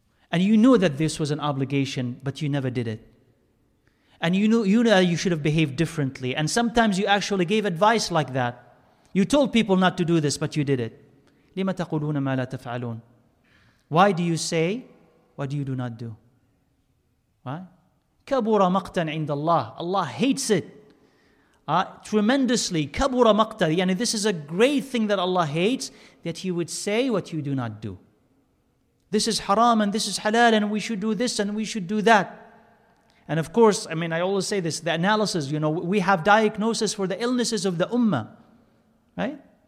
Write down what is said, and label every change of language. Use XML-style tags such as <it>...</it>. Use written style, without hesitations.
<en>And you knew that this was an obligation, but you never did it. And you knew that you should have behaved differently. And sometimes you actually gave advice like that. You told people not to do this, but you did it.</en> <ar>لِمَ تَقُولُونَ مَا لَا تَفْعَلُونَ</ar> <en>Why do you say, what do you do not do? Why?</en> <ar>كَبُرَ مَقْتًا عِنْدَ اللَّهِ</ar> <en>Allah hates it. Tremendously.</en> <ar>كَبُرَ مَقْتًا يعني</ar> <en>this is a great thing that Allah hates, that He would say what you do not do. This is haram and this is halal and we should do this and we should do that. And of course, I mean, I always say this, the analysis, you know, we have diagnosis for the illnesses of the ummah. Right?</en>